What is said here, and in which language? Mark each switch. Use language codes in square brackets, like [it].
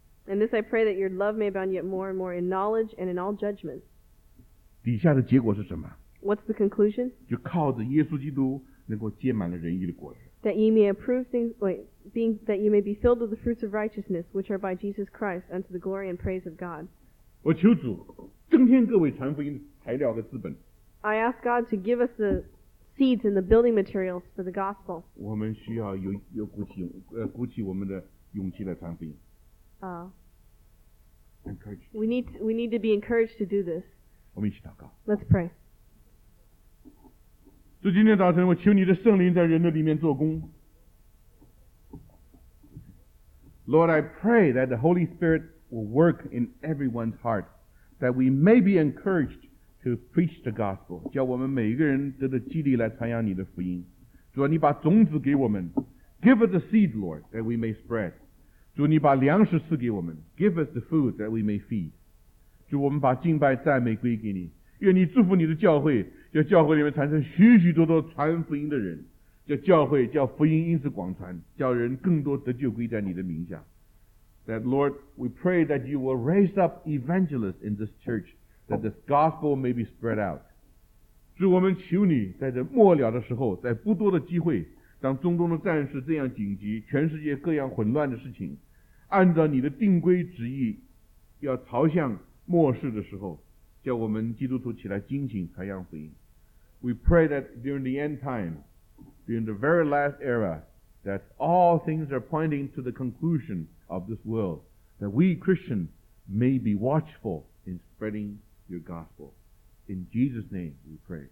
[en] And this I pray that your love may abound yet more and more in knowledge and in all judgment. [zh] 底下的结果是什么？ [en] What's the conclusion? [zh] 就靠着耶稣基督能够结满了仁义的果子。 [en] That ye may approve things, that you may be filled with the fruits of righteousness, which are by Jesus Christ, unto the glory and praise of God. [zh] 我求主增添各位传福音材料和资本。 [en] I ask God to give us the seeds and the building materials for the gospel. [zh] 我们需要鼓起我们的勇气来传福音。 [en] We need to be encouraged to do this. [zh] 我们一起祷告。 [en] Let's pray. [zh] 主，今天早晨，我求你的圣灵在人的里面做工。 [en] Lord, I pray that the Holy Spirit will work in everyone's heart, that we may be encouraged to preach the gospel. [zh] 叫我们每一个人得到激励来传扬你的福音。主啊，你把种子给我们。 [en] Give us the seed, Lord, that we may spread. [zh] 主，你把粮食赐给我们。 [en] Give us the food that we may feed. [zh] 主，我们把敬拜赞美归给你。愿你祝福你的教会，叫教会里面产生许许多多传福音的人，叫教会叫福音因此广传，叫人更多得救归在你的名下。 [en] That Lord, we pray that you will raise up evangelists in this church, that this gospel may be spread out. [zh] 主，我们求你在这末了的时候，在不多的机会，当中东的战事这样紧急，全世界各样混乱的事情，按照你的定规旨意，要朝向末世的时候，叫我们基督徒起来警醒，传扬福音。 [en] We pray that during the end time, during the very last era, that all things are pointing to the conclusion of this world, that we Christians may be watchful in spreading your gospel. In Jesus' name we pray.